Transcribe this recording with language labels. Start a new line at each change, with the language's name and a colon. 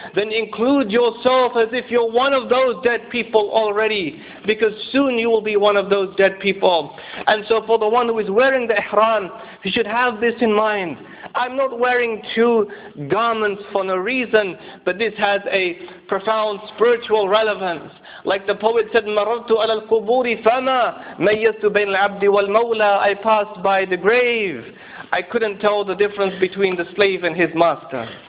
English: Then include yourself as if you're one of those dead people already, because soon you will be one of those dead people. And so for the one who is wearing the ihram, he should have this in mind. I'm not wearing two garments for no reason, but this has a profound spiritual relevance. Like the poet said,
Arabic: مَرَّتُ عَلَى الْقُبُورِ فَمَا مَيَّزْتُ بَيْنَ الْعَبْدِ وَالْمَوْلَى.
English: I passed by the grave. I couldn't tell the difference between the slave and his master.